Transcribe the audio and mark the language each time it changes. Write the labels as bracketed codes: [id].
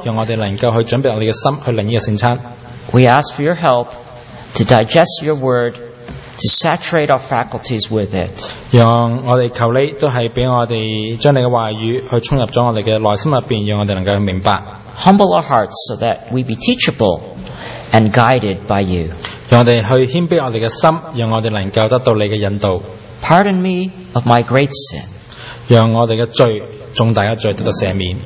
[zh] 主啊，去感谢你，你的话语，让我们的话语临到我们生命的当中，让我们能够去准备我们的心，去领这个圣餐。 [en] We ask for your help to digest your word, to saturate our faculties with it. [zh] 让我们求你，都是让我们将你的话语去冲入了我们的内心里面，让我们能够明白。 [en] Humble our hearts so that we be teachable and guided by you. [zh] 让我们去谦卑我们的心，让我们能够得到你的引导。 [en] Pardon me of my great sin. [zh] 让我们的罪，重大的罪得到赦免。